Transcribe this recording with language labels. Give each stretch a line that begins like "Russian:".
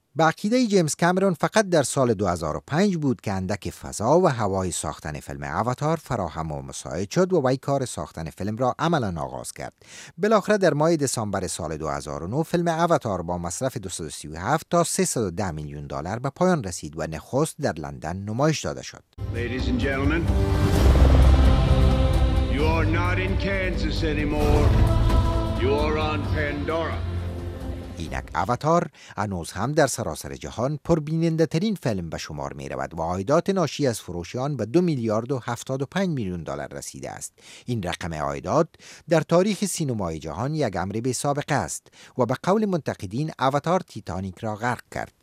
Persian: به عقیده جیمز کامرون فقط در سال 2005 بود که اندک فضا و هوای ساختن فیلم اواتار فراهم و مساعد شد و وی کار ساختن فیلم را عملا آغاز کرد. بالاخره در ماه دسامبر سال 2009 فیلم اواتار با مصرف 237 تا 310 میلیون دلار به پایان رسید و نخست در لندن نمایش داده شد.
English: Ladies and gentlemen, you are not in Kansas anymore. You are on Pandora.
Persian: اینک اواتار هنوز هم در سراسر جهان پربیننده ترین فیلم به شمار می رود و عایدات ناشی از فروش آن به 2 میلیارد و 75 میلیون دلار رسیده است. این رقم عایدات در تاریخ سینمای جهان یک امر بی سابقه است و به قول منتقدین اواتار تیتانیک را غرق کرد.